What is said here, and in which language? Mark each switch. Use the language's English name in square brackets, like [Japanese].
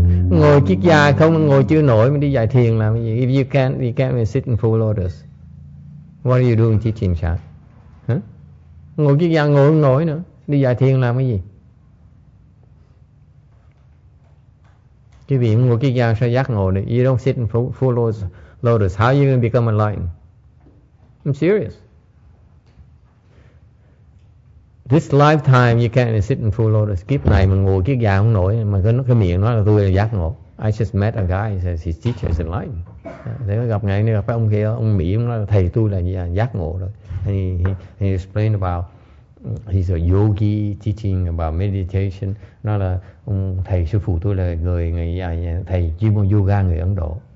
[Vietnamese] Ngồi kiết già không ngồi chưa nổi, mình đi dạy thiền làm gì? [English] If you can't, you can't even sit in full lotus. What are you doing teaching Chan? Huh? [Vietnamese] Ngồi kiết già ngồi không nổi nữa, đi dạy thiền làm cái gì? Cái vị ngồi kiết già sao giác ngộ được? [English] You don't sit in full lotus. How are you going to become enlightened? I'm serious. This lifetime you can't sit in full lotus. [Vietnamese] Kiếp này mà ngồi kiết già không nổi, mà cái miệng nói là tôi là giác ngộ. [English] I just met a guy, he says his teacher is enlightened. [Vietnamese] Thế mà gặp ngày nay gặp ông kia, ông Mỹ, ông nói thầy tôi là giác ngộ rồi. [English] He explained about he's a yogi teaching about meditation. [Vietnamese] Nó là ông thầy sư phụ tôi là người thầy chuyên môn yoga người Ấn Độ.